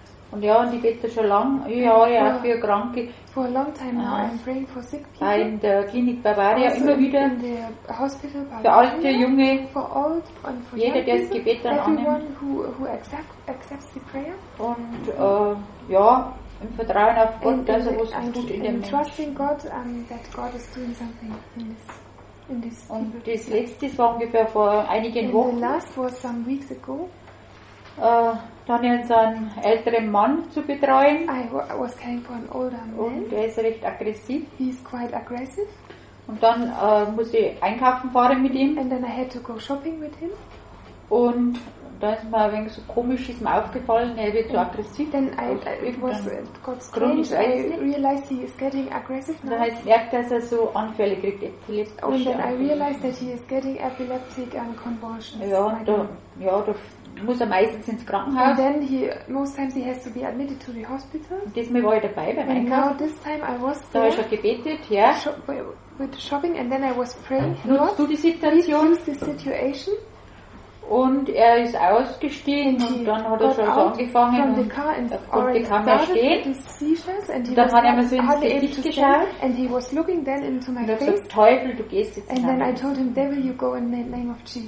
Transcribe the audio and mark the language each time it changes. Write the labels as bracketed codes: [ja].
[de] Und ja, und ich bete schon lange, Jahre auch für Kranke. [en] For a long time now, I'm praying for sick people. [de] In der Klinik Bavaria also immer wieder. [en] In the hospital Bavaria, [de] für alte, junge. [en] For old and for [de] jeder, der das Gebet dann annimmt. [en] Everyone who accepts the prayer. [de] Und ja, im Vertrauen auf Gott, dass er was tut in dem Menschen. [en] Trusting God that God is doing something in this. [de] Und das letzte war ungefähr vor einigen [en] and [de] Wochen. [en] The last was some weeks ago. [de] Dann ihn so einen älteren Mann zu betreuen. [en] I was caring for an older man. [de] Und er ist recht aggressiv. [en] He's quite aggressive. [de] Und dann muss ich einkaufen fahren mit ihm. [en] And then I had to go shopping with him. [de] Und da ist mir ein wenig so komisch, ist mir aufgefallen, er wird so aggressiv. [en] Then it was got strange. I realized he is getting aggressive now. [de] Dann heißt, merkt, dass er so Anfälle kriegt, epileptische. [en] And then I realized that he is getting epileptic and convulsions. [de] Ja, und da, ja, da muss er meistens ins Krankenhaus. [en] And then most times he has to be admitted to the hospital. [de] Diesmal war ich dabei beim Einkaufen. [en] And now this time I was [de] da habe ich schon gebetet, ja. [en] With shopping and then I was praying. [de] Nutzt du die Situation? [en] The situation. [de] Und er ist ausgestiegen und dann hat er schon so angefangen und konnte die Kamera stehen. Und dann hat er mir so ins Gesicht geschaut [en] and he was looking then into my [de] und hat gesagt, Teufel, du gehst jetzt [en] and then I told him, devil, you go in the name of Jesus.